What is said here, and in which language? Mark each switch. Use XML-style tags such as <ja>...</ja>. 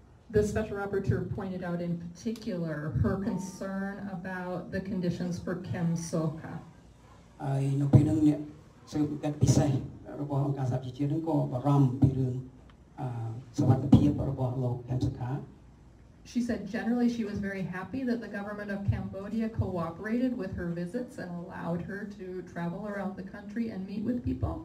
<en>The Special Rapporteur pointed out in particular her concern about the conditions for Kem Soka</en> <km>ហើយនៅពេលហ្នឹងអ្នកសង្កេតពិសេសរបស់អង្គការសហជីវជាតិហ្នឹងក៏បារម្ភពីរឿងសុខភាពរបស់លោក Kem Soka.</km> <en>She said generally she was very happy that the government of Cambodia cooperated with her visits and allowed her to travel around the country and meet with people.</en>